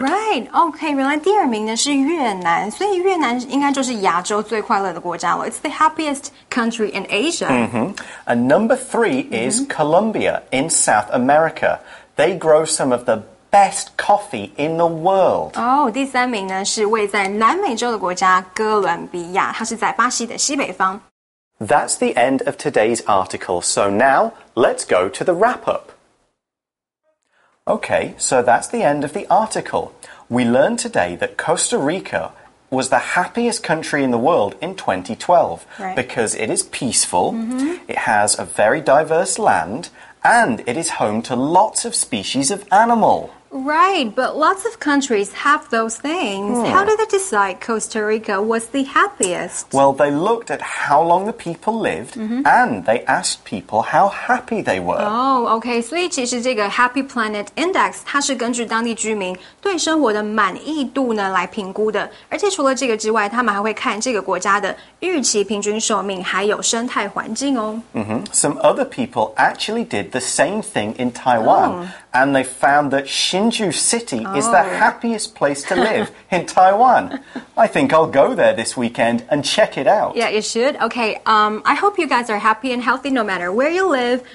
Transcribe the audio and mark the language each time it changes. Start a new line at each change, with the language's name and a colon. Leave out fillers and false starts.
Chinese: Right. Okay, 原来第二名呢是越南，所以越南应该就是亚洲最快乐的国家了。
English: It's the happiest country in Asia. And number three is Colombia in South America. They grow some of the best coffee in the world.
Chinese: Oh, 第三名呢是位在南美洲的国家哥伦比亚，它是在巴西的西北方。
English: That's the end of today's article. So now, let's go to the wrap-up. Okay, so that's the end of the article. We learned today that Costa Rica was the happiest country in the world in 2012. Right. Because it is peaceful, it has a very diverse land, and it is home to lots of species of animal. Right, but lots of countries have those things. How did they decide Costa Rica was the happiest? Well, they looked at how long the people lived, and they asked people how happy they were.
Chinese: Oh, okay, 所以其实这个 Happy Planet Index, 它是根据当地居民对生活的满意度呢来评估的。而且除了这个之外，他们还会看这个国家的预期平均寿命还有生态环境哦。
English: Some other people actually did the same thing in Taiwan. And they found that Hsinchu City is the happiest place to live in Taiwan. I think I'll go there this weekend and check it out. Yeah, you should. Okay, I hope you guys are happy and healthy no matter where you live.